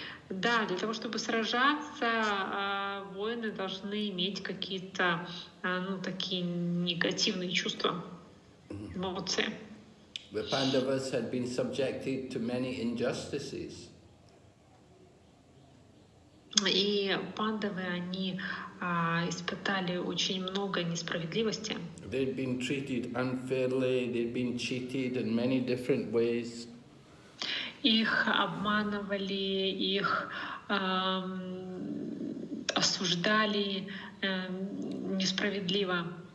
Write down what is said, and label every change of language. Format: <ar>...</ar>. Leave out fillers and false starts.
<ru>Да, для того, чтобы сражаться, воины должны иметь какие-то, ну, такие негативные чувства, эмоции.</ru> <en>The Pandavas had been subjected to many injustices.</en> <ru>И Пандавы, они испытали очень много несправедливости.</ru> <en>They'd been treated unfairly, they'd been cheated in many different ways.</en> <ru>Их обманывали, их осуждали несправедливо.</ru>